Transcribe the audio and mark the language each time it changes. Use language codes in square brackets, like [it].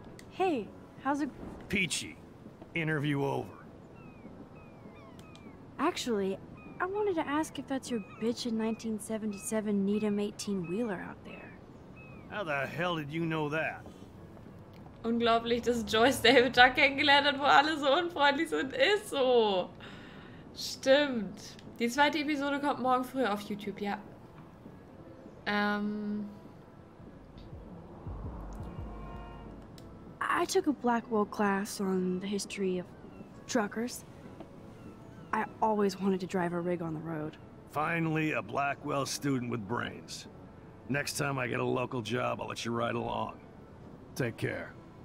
[en] Hey, how's it... Peachy, interview over. Actually, I wanted to ask if that's your bitch in 1977 Needham 18-wheeler out there. How the hell did you know that? [de] Unglaublich, dass Joyce David da kennengelernt hat, wo alle so unfreundlich sind. Ist so. Stimmt. Die zweite Episode kommt morgen früh auf YouTube, ja. [en] I took a Blackwell class on the history of truckers. I always wanted to drive a rig on the road. Finally, a Blackwell student with brains. Next time I get a local job, I'll let you ride along. Take care.